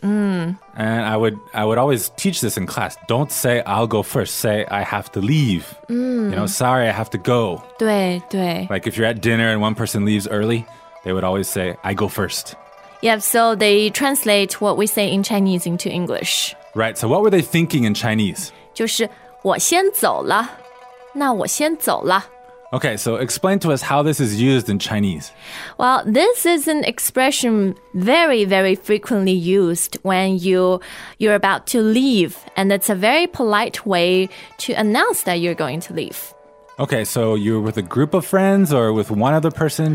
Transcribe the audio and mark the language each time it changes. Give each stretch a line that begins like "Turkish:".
English: And I would always teach this in class. Don't say I'll go first. Say I have to leave. You know, sorry, I have to go.
Chinese: 对对。
English: Like if you're at dinner and one person leaves early, they would always say I go first. Yep. So they translate what we say in Chinese into English. Right. So what were they thinking in Chinese?
Chinese: 就是我先走了，那我先走了。
English: Okay, so explain to us how this is used in Chinese. Well, this is an expression very, very frequently used when you're about to leave. And it's a very polite way to announce that you're going to leave. Okay, so you're with a group of friends or with one other person?